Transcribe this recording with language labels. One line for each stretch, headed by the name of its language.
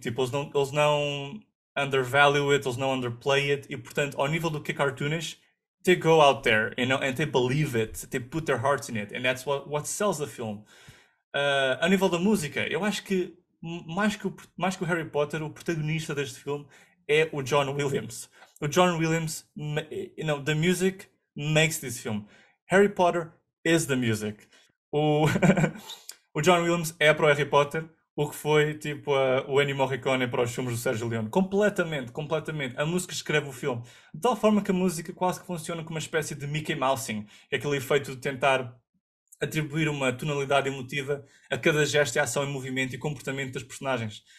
Portuguese: Tipo, eles não
English: undervalue it,
Portuguese: eles não
English: underplay it,
Portuguese: e portanto, ao nível do que é
English: cartoonish, they go out there, you know, and they believe it, they put their hearts in it, and that's what sells the film.
Portuguese: A nível da música, eu acho que mais que o Harry Potter, o protagonista deste filme é o John Williams. O John Williams,
English: you know, the music makes this film. Harry Potter is the music.
Portuguese: O John Williams é para o Harry Potter o que foi, tipo, o Ennio Morricone para os filmes do Sergio Leone. Completamente, completamente. A música escreve o filme. De tal forma que a música quase que funciona como uma espécie de Mickey Mousing. É aquele efeito de tentar atribuir uma tonalidade emotiva a cada gesto e ação e movimento e comportamento das personagens.